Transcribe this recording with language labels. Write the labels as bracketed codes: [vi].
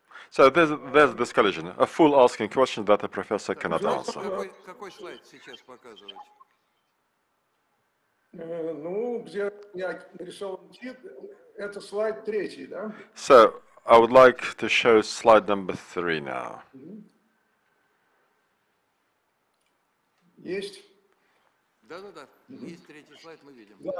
[en] So there's this collision, a fool asking questions that a professor cannot answer. [ru] Какой слайд сейчас показывает? Ну, где я нарисован тит, это слайд третий, да? [en] So, I would like to show slide number three now. [ru] Есть? Да-да-да, есть третий слайд, мы видим.